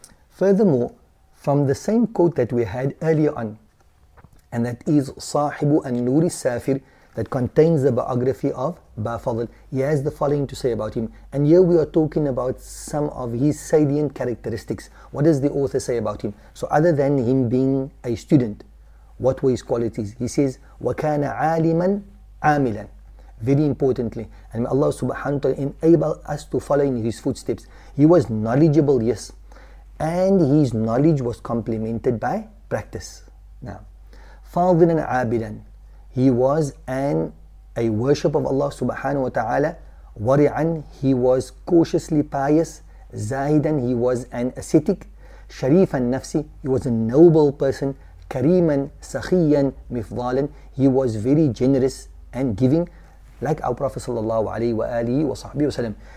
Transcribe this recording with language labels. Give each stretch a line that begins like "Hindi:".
English: Furthermore, from the same quote that we had earlier on, and that is Sahibu an-Nuri Safir, that contains the biography of Ba'fadl. He has the following to say about him. And here we are talking about some of his salient characteristics. What does the author say about him? So other than him being a student, what were his qualities? He says,
Arabic: وَكَانَ عَالِمًا عَامِلًا.
English: Very importantly, and may Allah subhanahu wa ta'ala enable us to follow in his footsteps. He was knowledgeable, yes. And his knowledge was complemented by practice.
Arabic: Now, فَاضِلًا عَابِلًا.
English: He was a worship of Allah subhanahu wa ta'ala. Wari'an, he was cautiously pious. Zahidan, he was an ascetic. Sharifan nafsi, he was a noble person. Kariman, sakhiyan, mifdalan, he was very generous and giving, like our Prophet sallallahu alayhi wa alihi wa sahbihi wa sallam.